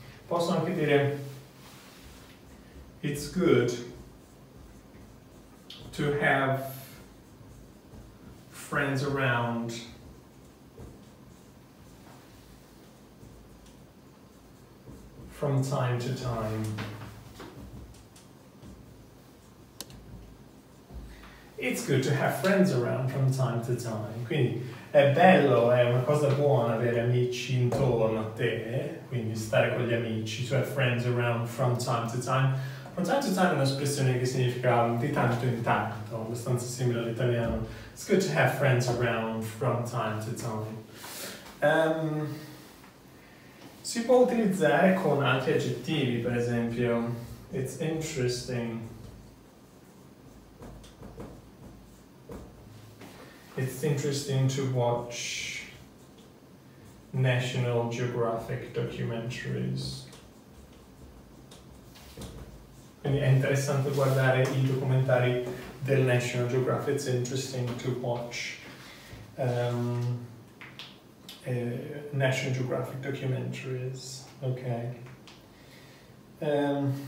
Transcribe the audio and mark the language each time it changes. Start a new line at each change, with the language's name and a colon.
Italian: Posso anche dire
English: it's good to have friends around. From time to time. It's good to have friends around from time to time.
Italian: Quindi è bello, è una cosa buona avere amici intorno a te, quindi stare con gli amici,
English: to have friends around from time to time. From time to time
Italian: è un'espressione che significa di tanto in tanto, abbastanza simile all'italiano.
English: It's good to have friends around from time to time.
Italian: Si può utilizzare con altri aggettivi, per esempio,
English: it's interesting. It's interesting to watch National Geographic documentaries.
Italian: Quindi è interessante guardare i documentari del National Geographic.
English: It's interesting to watch National Geographic documentaries, ok?